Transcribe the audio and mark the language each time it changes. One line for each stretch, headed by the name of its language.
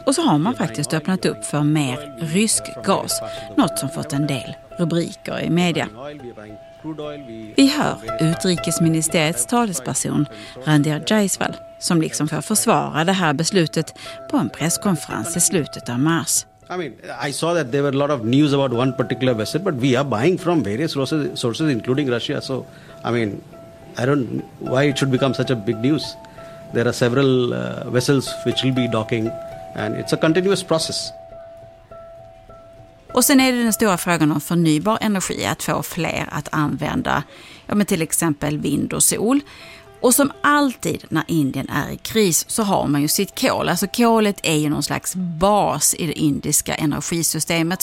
Swedish: Och så har man faktiskt öppnat upp för mer rysk gas. Något som fått en del rubriker i media. Vi hör utrikesministeriets talesperson Randhir Jaiswal som liksom får försvara det här beslutet på en presskonferens i slutet av mars.
English: I mean, I saw that there were a lot of news about one particular vessel, but we are buying from various sources including Russia. So, I mean, I don't know why it should become such a big news. There are several vessels which will be docking and it's a continuous process.
Swedish: Och sen är det den stora frågan om förnybar energi, att få fler att använda ja, men till exempel vind och sol. Och som alltid när Indien är i kris så har man ju sitt kol. Alltså kolet är ju någon slags bas i det indiska energisystemet.